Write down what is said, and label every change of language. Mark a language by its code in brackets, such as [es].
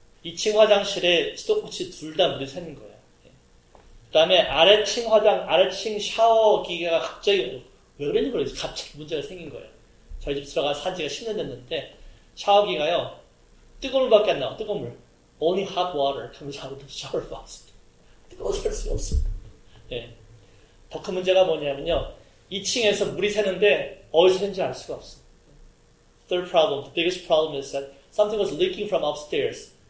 [ko] 2층 화장실에 스톱워치 둘 다 물이 새는 거예요. 그 다음에 아래층 샤워기가 갑자기, 왜 그러는지 모르겠어요. 갑자기 문제가 생긴 거예요. 저희 집 들어가 산 지가 10년 됐는데, 샤워기가요, 뜨거운 물밖에 안 나와, 뜨거운 물. [en] Only hot water comes out of the shower faucet. [ko] 뜨거워서 할 수 없어. 예. 더 큰 문제가 뭐냐면요. 2층에서 물이 새는데 어디서 새는지 알 수가 없어. [en] Third problem, the biggest problem is that something was leaking from upstairs.